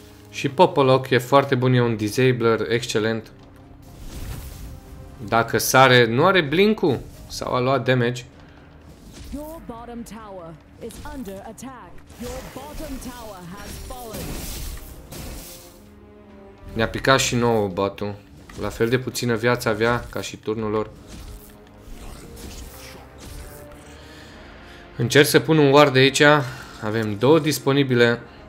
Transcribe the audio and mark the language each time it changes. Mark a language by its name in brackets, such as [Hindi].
[Romanian] Și Popoloc e foarte bun, e un disabler excelent. Dacă sare, nu are blink-ul sau a luat damage. [English] Your bottom tower is under attack. Your bottom tower has fallen. [Romanian] Ne-a picat și nouă botul. La fel de puțină viață avea ca și turnul lor. Încerc să pun un ward aici. Avem două disponibile.